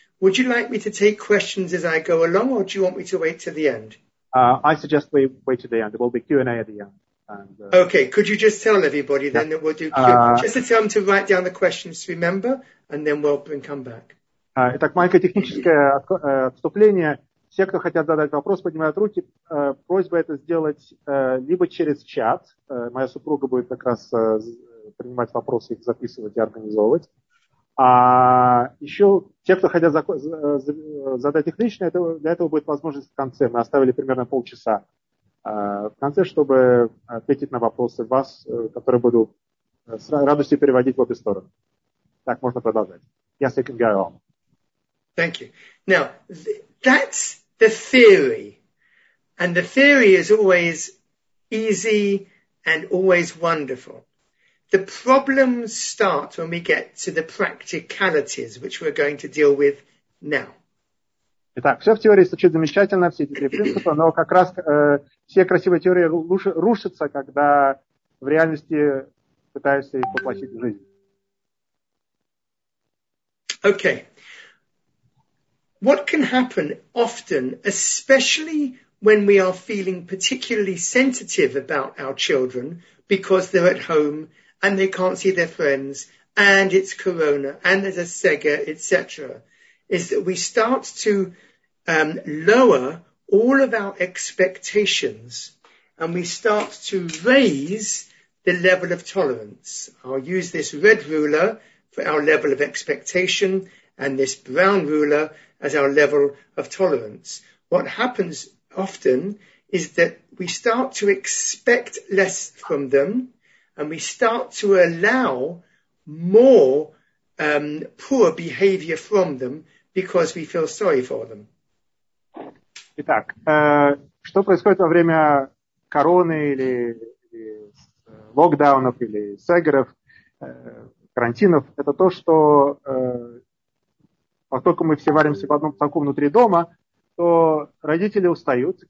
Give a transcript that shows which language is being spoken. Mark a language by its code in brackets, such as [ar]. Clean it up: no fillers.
[en] Would you like me to take questions as I go along, or do you want me to wait to the end? I suggest we wait to the end. There will be Q&A at the end. Okay. Could you just tell everybody then that we'll do Q&A? Just to tell them to write down the questions, remember, and then we'll come back. [ru] Итак, маленькое техническое вступление. Все, кто хотят задать вопрос, поднимают руки. Просьба это сделать либо через чат. Моя супруга будет как раз принимать вопросы, их записывать и организовывать. А еще те, кто хотят задать их лично, для этого будет возможность в конце. Мы оставили примерно полчаса в конце, чтобы ответить на вопросы вас, которые буду с радостью переводить в обе стороны. Так, можно продолжать. [en] Yes, you can go on. Thank you. Now, that's the theory. And the theory is always easy and always wonderful. The problems start when we get to the practicalities, which we're going to deal with now. [ru] Итак, все в теории звучит замечательно, все эти принципы, но как раз все красивые теории рушатся, когда в реальности пытаешься их воплотить в жизнь. [en] Okay. What can happen often, especially when we are feeling particularly sensitive about our children because they're at home and they can't see their friends and it's corona and there's a Sega, etc., is that we start to lower all of our expectations and we start to raise the level of tolerance. I'll use this red ruler for our level of expectation and this brown ruler as our level of tolerance. What happens often is that we start to expect less from them and we start to allow more poor behavior from them because we feel sorry for them. [ru] Итак, что происходит во время короны или локдаунов, или сегеров, карантинов, это то, что поскольку мы все варимся в одном таком внутри дома, то родители устают.